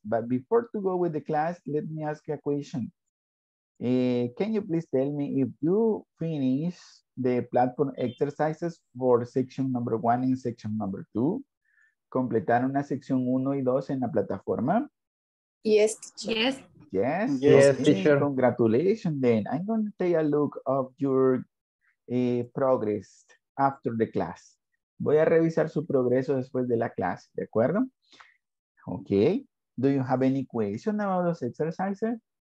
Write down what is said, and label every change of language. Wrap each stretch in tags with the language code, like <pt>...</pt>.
<en>But before to go with the class, let me ask you a question. Can you please tell me if you finish the platform exercises for section number one and section number two?</en> <es>¿Completaron la sección 1 y 2 en la plataforma?</es> <en>Yes. Yes. Yes. Yes, okay. Teacher. Congratulations, then. I'm going to take a look of your progress after the class.</en> <es>Voy a revisar su progreso después de la clase, ¿de acuerdo?</es> <en>Okay. Do you have any questions about those exercises?</en>